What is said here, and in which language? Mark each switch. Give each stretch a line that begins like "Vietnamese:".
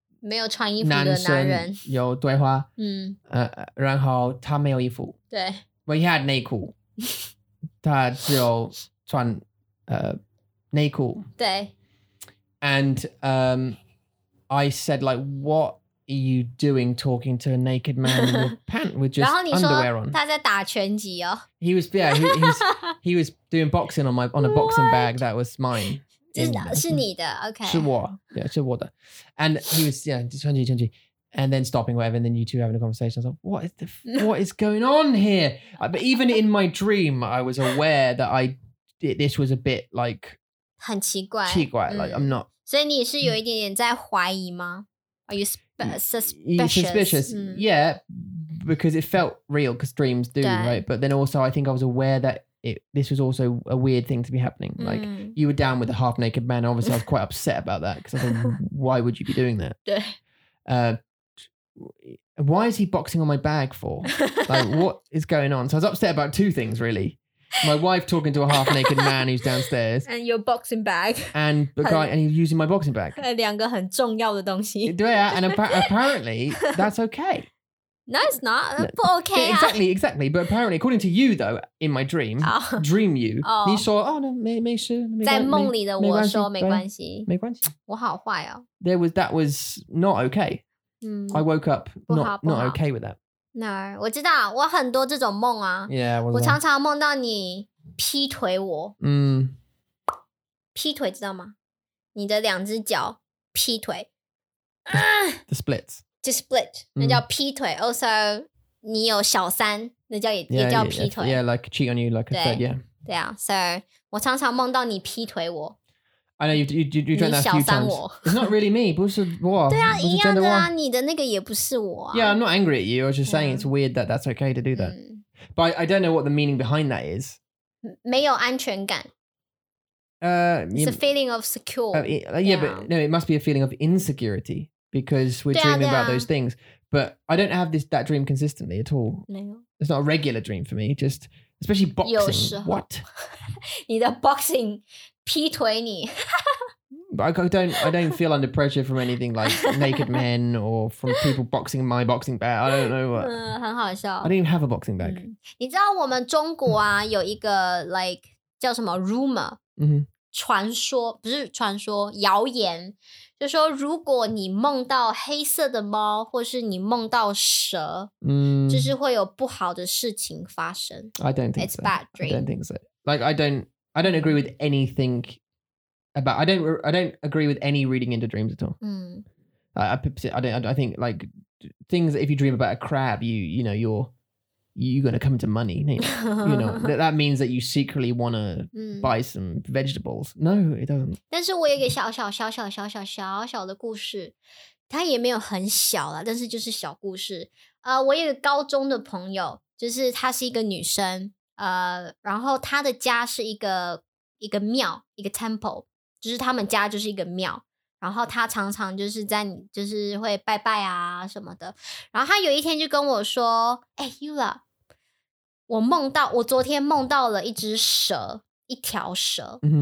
Chinese: 没有穿衣服的男人有对话，然后他没有衣服，对。
English: Well, he had
Chinese: 内裤，他只有穿内裤，对。
English: And I said like, "What are you doing, talking to a naked man in your pant with just
Chinese: 然后你说,
English: underwear on?"
Chinese: 他在打拳击哦.
English: He was yeah, he was doing boxing on my on a what? Boxing bag that was mine.
Chinese: 是你的, okay. 是我, yeah, 是我的.
English: And he was, yeah,
Chinese: 穿起,
English: and then stopping, whatever, and then you two having a conversation. I was like, what is going on here? But even in my dream, I was aware that this was a bit like...
Chinese: 很奇怪。奇怪,
English: like, I'm not...
Chinese: 所以你是有一点点在怀疑吗?
English: Are you suspicious? Suspicious, yeah, because it felt real, because dreams do, right? But then also, I think I was aware that this was also a weird thing to be happening. Like, you were down with a half-naked man. Obviously, I was quite upset about that because I was like, why would you be doing that? Why is he boxing on my bag for? Like, what is going on? So I was upset about two things, really. My wife talking to a half-naked man who's downstairs. And your boxing bag. And the guy, and he's using my boxing bag.
Chinese: 两个很重要的东西.
English: Yeah, and apparently, that's okay. No, it's not. No, okay. Exactly. But apparently, according to you, though, in my dream, dream you, you saw, oh, no, may sure.
Chinese: 在梦里的我说没关系。没关系。我好坏哦。
English: That was not okay. I woke up not okay with that.
Chinese: No, 我知道,我很多这种梦啊。我常常梦到你劈腿我。劈腿知道吗? 你的两只脚劈腿。
English: The splits. To split,
Chinese: 那叫劈腿, also 你有小三, 那叫也叫劈腿。
English: Yeah, like cheat on you, like a third, yeah.
Chinese: 对啊, so 我常常梦到你劈腿我。
English: I know, you drank that a few times.
Chinese: 你小三我。
English: It's not really me,
Chinese: 不是我。对啊,一样的啊, 你的那个也不是我啊。
English: Yeah, I'm not angry at you, I was just saying it's weird that that's okay to do that. But I don't know what the meaning behind that is.
Chinese: 没有安全感。
English: It's a feeling of secure. Yeah, but no, it must be a feeling of insecurity. Because we're dreaming about those things. But I don't have that dream consistently at all. No. It's not a regular dream for me. Just, especially boxing. What?
Chinese: 你的boxing劈腿你。
English: But I don't feel under pressure from anything like naked men or from people boxing my boxing bag. I don't know what.
Chinese: 很好笑.
English: I don't even have a boxing bag.
Chinese: 你知道我们中国啊, 有一个 like 叫什么 rumor, 传说, 不是传说, 谣言, 就说如果你梦到黑色的猫, 或是你梦到蛇, 就是会有不好的事情发生.
English: I don't think it's so. It's bad dream. I don't think so. Like, I don't agree with anything about, I don't agree with any reading into dreams at all. I think like things, if you dream about a crab, you know, you're going to come to money. You know, that means that you secretly want to buy some vegetables. No, it doesn't.
Chinese: 但是我有一个小小的故事, 它也没有很小啦, 但是就是小故事。我有一个高中的朋友, 就是她是一个女生, 然后她的家是一个庙, 一个 temple, 就是他们家就是一个庙, 然后她常常就是会拜拜啊什么的, 然后她有一天就跟我说, 诶, Yula, 我昨天梦到了一只蛇, 一条蛇,